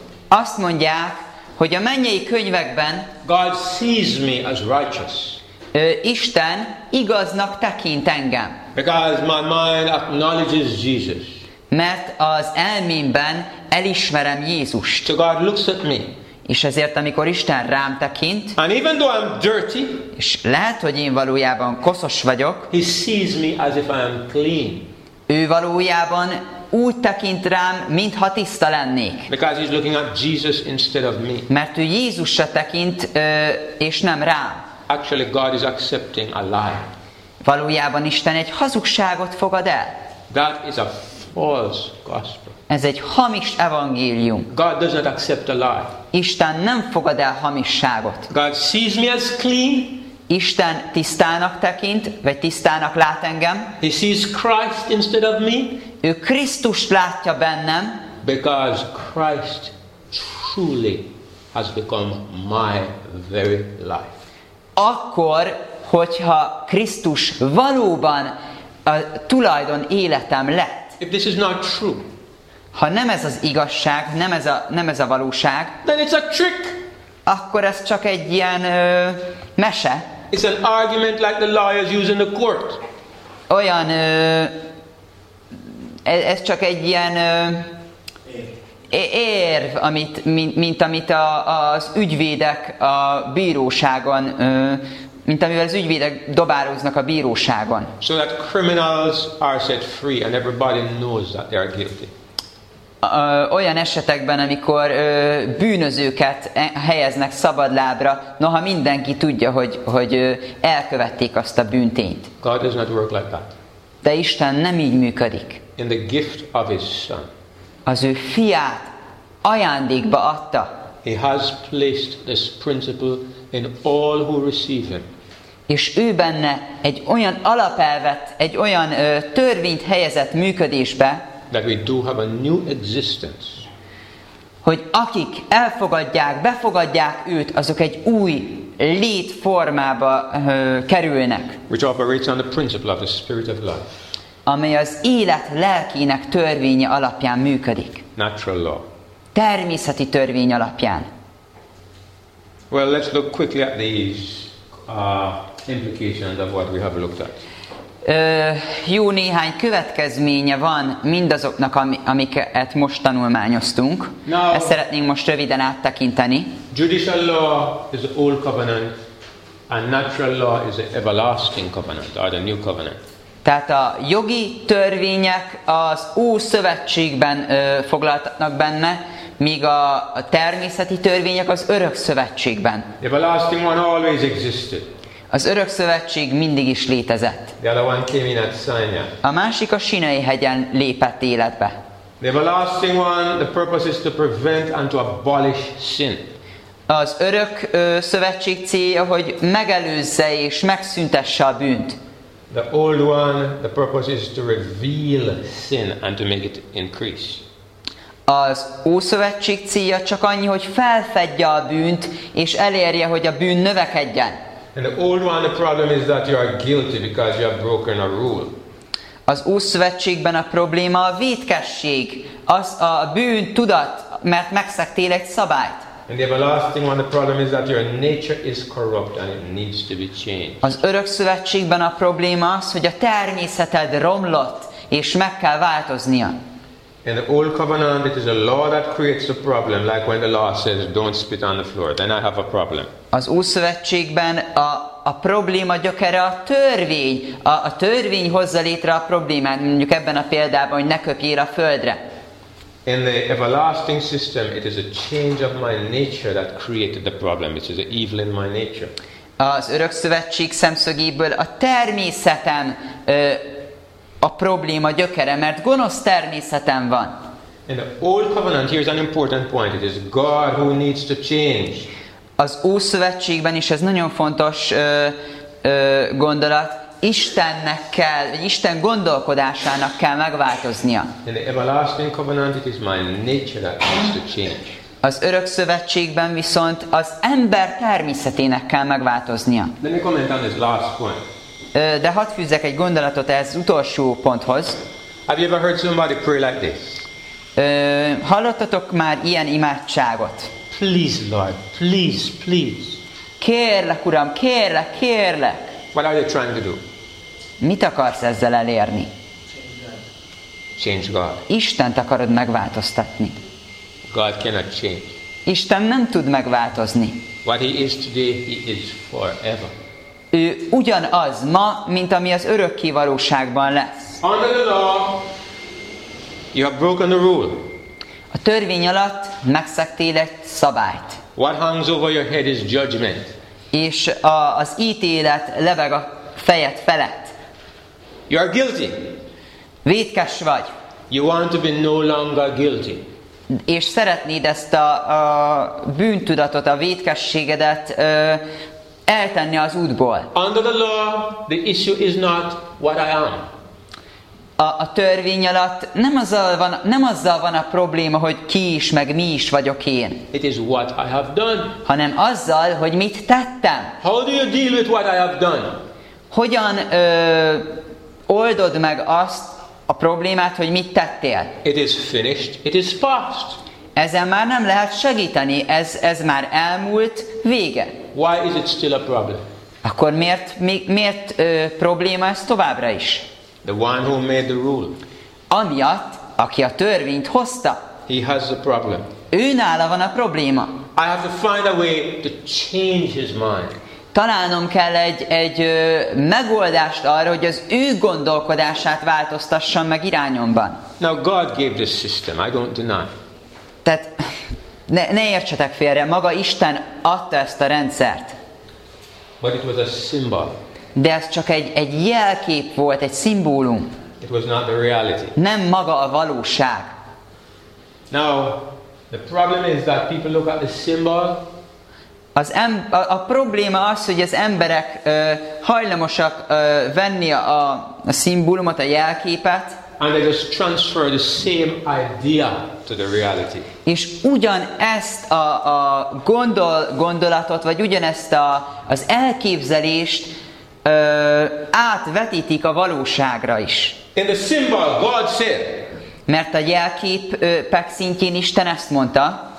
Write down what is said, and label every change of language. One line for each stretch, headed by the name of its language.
Hungarian: Azt mondják, hogy a mennyei könyvekben
English: God sees me as righteous.
Hungarian: Isten igaznak tekint engem.
English: Because my mind acknowledges Jesus.
Hungarian: Mert az elmémben elismerem Jézust.
English: So God looks at me.
Hungarian: És ezért, amikor Isten rám tekint,
English: and even though I'm dirty,
Hungarian: és lehet, hogy én valójában koszos vagyok,
English: he sees me as if I am clean.
Hungarian: Ő valójában úgy tekint rám, mintha tiszta lennék.
English: Because he's looking at Jesus instead of me.
Hungarian: Mert ő Jézusra tekint, és nem rám.
English: Actually, God is accepting a lie.
Hungarian: Valójában Isten egy hazugságot fogad el.
English: That is a false gospel.
Hungarian: Ez egy hamis evangélium.
English: God does not accept a lie.
Hungarian: Isten nem fogad el hamisságot.
English: God sees me as clean.
Hungarian: Isten tisztának tekint, vagy tisztának lát engem.
English: He sees Christ instead of me.
Hungarian: Ő Krisztust látja bennem.
English: Because Christ truly has become my very life.
Hungarian: Akkor, hogyha Krisztus valóban a tulajdon életem lett.
English: If this is not true.
Hungarian: Ha nem ez az igazság, nem ez a valóság,
English: then it's a trick.
Hungarian: Akkor ez csak egy ilyen mese.
English: It's an argument like the lawyers use in the court.
Hungarian: Olyan ez csak egy ilyen érv, amit mint amit az ügyvédek a bíróságon mint amivel az ügyvédek dobároznak a bíróságon.
English: So that criminals are set free and everybody knows that they are guilty.
Hungarian: Olyan esetekben, amikor bűnözőket helyeznek szabadlábra, noha mindenki tudja, hogy elkövették azt a bűntényt.
English: God does not work like that.
Hungarian: De Isten nem így működik.
English: In the gift of his son.
Hungarian: Az ő fiát ajándékba adta.
English: He has placed this principle and all who receive him.
Hungarian: És ő benne egy olyan alapelvet, egy olyan törvényt helyezett működésbe,
English: that we do have a new existence.
Hungarian: Hogy akik elfogadják, befogadják őt, azok egy új létformába kerülnek.
English: Which operates on the principle of the spirit of life.
Hungarian: Amely az élet lelkének törvénye alapján működik.
English: Natural law.
Hungarian: Természeti törvény alapján.
English: Well, let's look quickly at these implications of what we have looked at.
Hungarian: Jó néhány következménye van mindazoknak, amiket most tanulmányoztunk.
English: Now,
Hungarian: ezt szeretnénk most röviden áttekinteni.
English: Judicial law is the old covenant, and natural law is the everlasting covenant, or the new covenant.
Hungarian: Tehát a jogi törvények az új szövetségben foglaltatnak benne, míg a természeti törvények az örök szövetségben.
English: The everlasting one always existed.
Hungarian: Az örök szövetség mindig is létezett.
English: The other one came in at Sinai.
Hungarian: A másik a Sinai hegyen lépett életbe.
English: The everlasting one, the purpose is to prevent and to abolish sin.
Hungarian: Az örök szövetség célja, hogy megelőzze és megszüntesse a bűnt.
English: The old one, the purpose is to reveal sin and to make it increase.
Hungarian: Az ószövetség célja csak annyi, hogy felfedje a bűnt és elérje, hogy a bűn növekedjen.
English: And the old one, the problem is that you are guilty because you have broken a rule.
Hungarian: Az ószövetségben a probléma a vétkesség, az a bűn tudat, mert megszegtél egy szabályt.
English: And the everlasting one, the problem is that your nature is corrupt and it needs to be changed.
Hungarian: Az örök szövetségben a probléma az, hogy a természeted romlott és meg kell változnia.
English: In the old covenant, it is a law that creates a problem, like when the law says, "Don't spit on the floor." Then I have a problem.
Hungarian: Az új szövetségben a probléma gyökere a törvény. A törvény hozza létre a problémát, mondjuk ebben a példában, hogy ne köpjél a földre.
English: In the everlasting system, it is a change of my nature that created the problem. It is the evil in my nature.
Hungarian: Az örök szövetség szemszögéből a természetem a probléma gyökere, mert gonosz természetem van.
English: In the old covenant, here is an important point. It is God who needs to change.
Hungarian: Az új szövetségben is ez nagyon fontos gondolat. Istennek kell, vagy Isten gondolkodásának kell megváltoznia.
English: In the everlasting covenant, it is my nature that needs to change.
Hungarian: Az örök szövetségben viszont az ember természetének kell megváltoznia.
English: Let me comment on this last point.
Hungarian: De hadd fűzzek egy gondolatot ez utolsó ponthoz.
English: Have you ever heard somebody pray like this?
Hungarian: Hallottatok már ilyen imádságot?
English: Please, Lord, please, please.
Hungarian: Kérlek, Uram, kérlek, kérlek.
English: What are you trying to do?
Hungarian: Mit akarsz ezzel elérni?
English: Change God.
Hungarian: Istent akarod megváltoztatni.
English: God cannot change.
Hungarian: Isten nem tud megváltozni.
English: What he is today, he is forever.
Hungarian: Ő ugyanaz ma, mint ami az örökké valóságban lesz.
English: Under the law, you have broken the rule.
Hungarian: A törvény alatt megszegtél egy szabályt.
English: What hangs over your head is judgment.
Hungarian: És az ítélet leveg a fejed felett.
English: You are guilty.
Hungarian: Vétkes vagy.
English: You want to be no longer guilty.
Hungarian: És szeretnéd ezt a bűntudatot, a vétkességedet eltenni az útból.
English: Under the law, the issue is not what I am.
Hungarian: A törvény alatt nem azzal van a probléma, hogy ki is, meg mi is vagyok én.
English: It is what I have done.
Hungarian: Hanem azzal, hogy mit tettem.
English: How do you deal with what I have done?
Hungarian: Hogyan oldod meg azt a problémát, hogy mit tettél?
English: It is finished. It is past.
Hungarian: Ezen már nem lehet segíteni. Ez már elmúlt, vége.
English: Why is it still a problem?
Hungarian: Akkor miért probléma ez továbbra is?
English: The one who made the rule.
Hungarian: Amiatt, aki a törvényt hozta.
English: He has the problem.
Hungarian: Ő nála van a probléma.
English: I have to find a way to change his mind.
Hungarian: Találnom kell egy megoldást arra, hogy az ő gondolkodását változtassam meg irányomban.
English: Now God gave this system. I don't deny.
Hungarian: Tehát ne értsetek félre, maga Isten adta ezt a rendszert.
English: But it was a symbol.
Hungarian: De ez csak egy jelkép volt, egy szimbólum.
English: It was not the reality.
Hungarian: Nem maga a valóság.
English: Now, the problem is that people look at the symbol
Hungarian: A probléma az, hogy az emberek hajlamosak venni a szimbólumot, a jelképet.
English: And they just transfer the same idea to the reality.
Hungarian: És ugyanezt a gondolatot, vagy ugyanezt az elképzelést átvetítik a valóságra is.
English: In the symbol, God said,
Hungarian: mert a jelképek szintjén Isten ezt mondta,